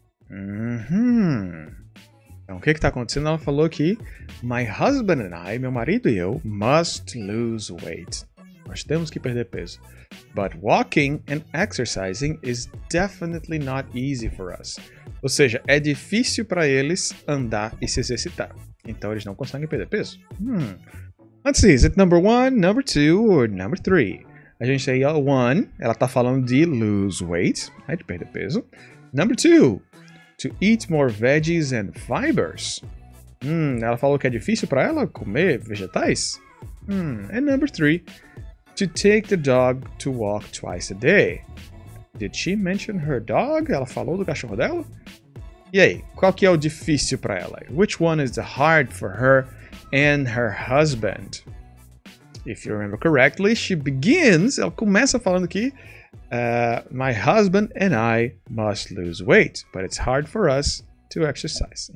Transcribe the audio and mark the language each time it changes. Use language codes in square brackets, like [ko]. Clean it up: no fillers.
[pt] Mm-hmm. Então, o que está acontecendo? Ela falou que [en] my husband and I, [pt] meu marido e eu, [en] must lose weight. [pt] Nós temos que perder peso. [en] But walking and exercising is definitely not easy for us. [pt] Ou seja, é difícil para eles andar e se exercitar. Então, eles não conseguem perder peso. [en] Let's see, is it number one, number two, or number three? [pt] A gente aí, one, ela tá falando de [en] lose weight, [pt] né, de perder peso. [en] Number two, to eat more veggies and fibers. [pt] Ela falou que é difícil para ela comer vegetais. [en] And number three, to take the dog to walk twice a day. Did she mention her dog? [pt] Ela falou do cachorro dela? E aí, qual que é o difícil para ela? [en] Which one is the hard for her and her husband? If you remember correctly, she begins, [pt] ela começa falando aqui, [en] my husband and I must lose weight, but it's hard for us to exercise.